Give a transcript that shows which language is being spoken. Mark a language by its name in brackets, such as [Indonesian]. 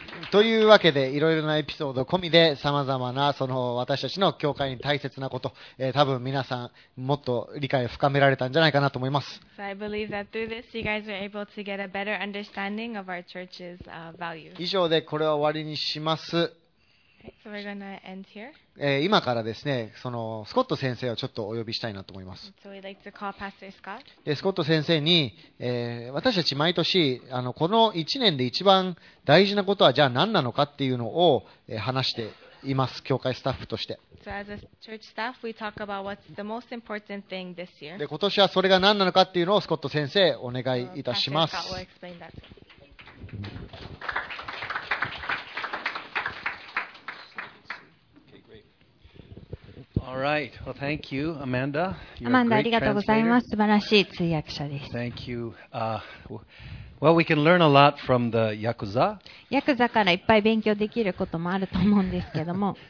[Japanese] というわけで、いろいろなエピソード込みで、さまざまなその私たちの教会に大切なこと、多分皆さんもっと理解を深められたんじゃないかなと思います。 [English] So I believe that through this, you guys are able to get a better understanding of our church's value. [Japanese] 以上でこれは終わりにします。 [English] So we're gonna end here. [Japanese] 今からですね、そのスコット先生をちょっとお呼びしたいなと思います。 [English] So we'd like to call Pastor Scott. [Japanese] でスコット先生に、私たち毎年この1年で一番大事なことはじゃあ何なのかっていうのを、話しています、教会スタッフとして。 [English] So as a church staff, we talk about what's the most important thing this year. [Japanese] で今年はそれが何なのかっていうのをスコット先生、お願いいたします。 [English] So Pastor Scott will explain that. All right. Well, thank you, Amanda. [Japanese] Amanda, ありがとうございます。素晴らしい通訳者です。 [English] Thank you. Well, we can learn a lot from the Yakuza. [Japanese] ヤクザからいっぱい勉強できることもあると思うんですけども。